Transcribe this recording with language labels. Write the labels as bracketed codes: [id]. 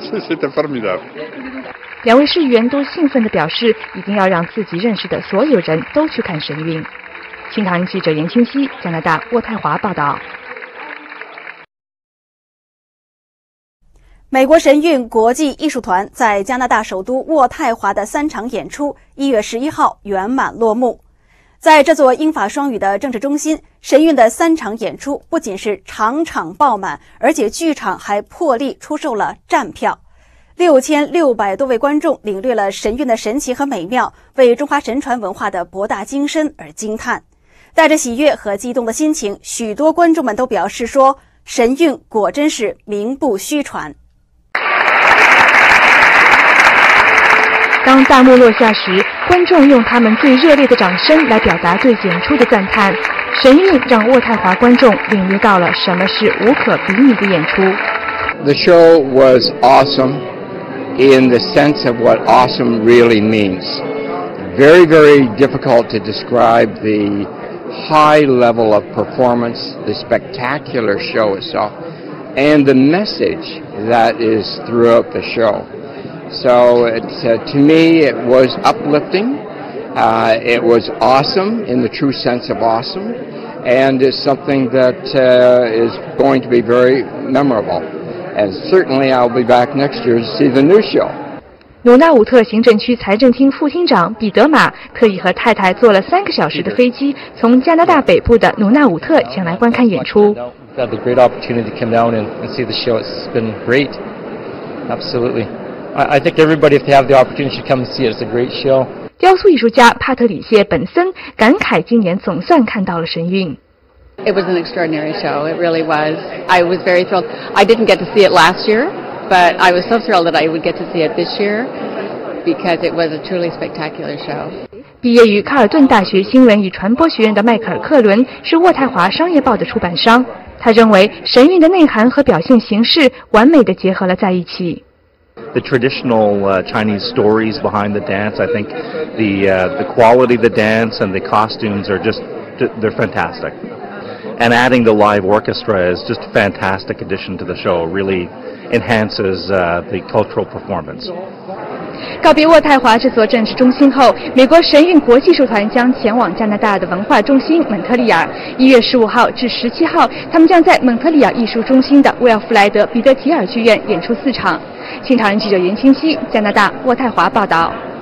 [fr] C'était formidable. [zh] 两位市议员都兴奋地表示，一定要让自己认识的所有人都去看神韵。新唐人记者严清溪，加拿大渥太华报道。美国神韵国际艺术团在加拿大首都渥太华的三场演出1月11号圆满落幕。在这座英法双语的政治中心，神韵的三场演出不仅是场场爆满，而且剧场还破例出售了站票。 6600多位观众领略了神韵的神奇和美妙，为中华神传文化的博大精深而惊叹。带着喜悦和激动的心情，许多观众们都表示说，神韵果真是名不虚传。当大幕落下时，观众用他们最热烈的掌声来表达对演出的赞叹。神韵让渥太华观众领略到了什么是无可比拟的演出。 [en] The show was awesome in the sense of what awesome really means. Very, very difficult to describe the high level of performance, the spectacular show itself, and the message that is throughout the show. So to me, it was uplifting. It was awesome in the true sense of awesome. And it's something that is going to be very memorable. And certainly I'll be back next year to see the new show. [zh] 努纳武特行政区财政厅副厅长彼得马特意和太太坐了3个小时的飞机，从加拿大北部的努纳武特前来观看演出。 [en] We've had the great opportunity to come down and see the show. It's been great. Absolutely. I think everybody, if they have the opportunity, should come and see it. It's a great show. [zh] 雕塑艺术家帕特里谢·本森感慨今年总算看到了神韵。 [en] It was an extraordinary show. It really was. I was very thrilled. I didn't get to see it last year, but I was so thrilled that I would get to see it this year because it was a truly spectacular show. [zh] 毕业于卡尔顿大学新闻与传播学院的迈克尔·克伦是渥太华商业报的出版商。他认为神韵的内涵和表现形式完美地结合了在一起。 [en] The traditional Chinese stories behind the dance, I think the quality of the dance and the costumes are just, they're fantastic. And adding the live orchestra is just a fantastic addition to the show, really enhances the cultural performance. [zh] 告别渥太华这座政治中心后，美国神韵国际艺术团将前往加拿大的文化中心蒙特利尔。 1月15号至17号，他们将在蒙特利尔艺术中心的威尔弗莱德·彼得提尔剧院演出四场。新唐人记者袁清溪，加拿大渥太华报道。